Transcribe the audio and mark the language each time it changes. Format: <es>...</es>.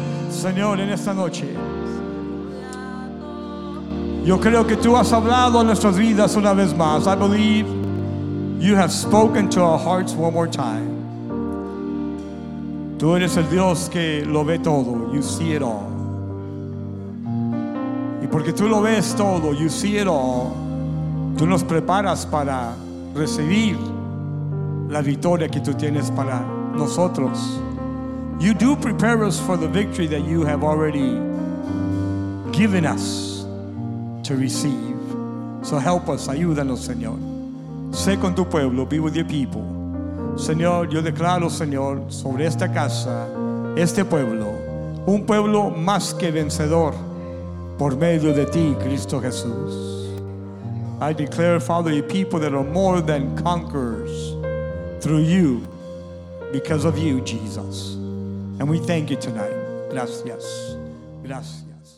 <es>Señor, en esta noche, yo creo que tú has hablado a nuestras vidas una vez más.</es> <en>I believe you have spoken to our hearts one more time.</en> <es>Tú eres el Dios que lo ve todo.</es> <en>You see it all.</en> <es>Y porque tú lo ves todo,</es> <en>you see it all,</en> <es>tú nos preparas para recibir la victoria que tú tienes para nosotros.</es> <en>You do prepare us for the victory that you have already given us to receive. So help us,</en> <es>ayúdanos, Señor. Sé con tu pueblo,</es> <en>be with your people.</en> <es>Señor, yo declaro, Señor, sobre esta casa, este pueblo, un pueblo más que vencedor por medio de ti, Cristo Jesús.</es> <en>I declare, Father, your people that are more than conquerors through you, because of you, Jesus. And we thank you tonight.</en> <es>Gracias. Gracias.</es>